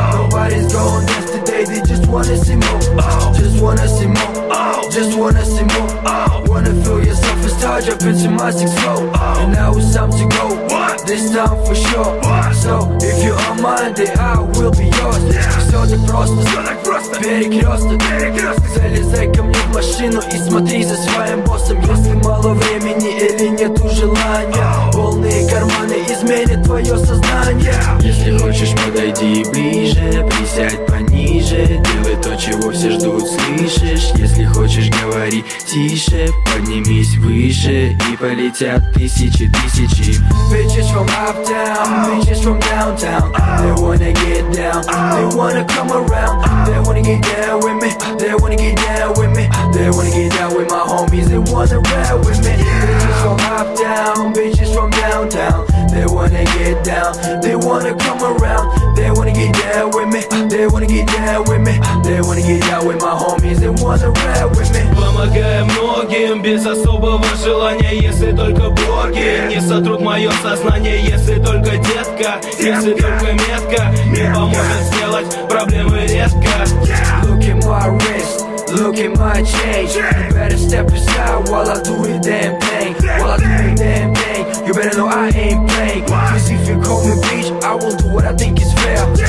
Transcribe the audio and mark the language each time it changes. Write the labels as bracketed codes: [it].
[en] Nobody's going dance today. They just wanna see more. Just wanna see more. Just wanna see more. Wanna feel yourself as charge up into my 6-4. And now it's time to go. This time for sure. So if you are mine, then I will be yours. [ru] Все так просто, все так просто. Перекресток, перекресток. Залезай ко мне в машину и смотри за своим боссом. Если мало времени или нету желания, полные карманы изменят твое сознание. Если хочешь, подойди ближе, присядь пониже. Делай то, чего все ждут, слышишь? Если хочешь, говори тише. Поднимись выше, и полетят тысячи, тысячи. [en] Bitches from uptown, bitches from downtown. They wanna get down, they wanna come around. They wanna get down with me, they wanna get down with me. They wanna get down with my homies, they wanna ride with me. Bitches from uptown, bitches from downtown. They wanna get down, they wanna come around. They wanna get down with me, they wanna get down with me. They wanna get down with my homies, they wanna ride with me. [ru] Помогаем многим без особого желания, если только боги не сотрут мое сознание. Если только детка, если только метка, не поможет сделать проблемы редко. [en] Look at my wrist, look at my chain. You better step aside while I do the damn thing. While I do the damn thing, you better know I ain't playing. Cause if you call me bitch, I will do what I think is fair.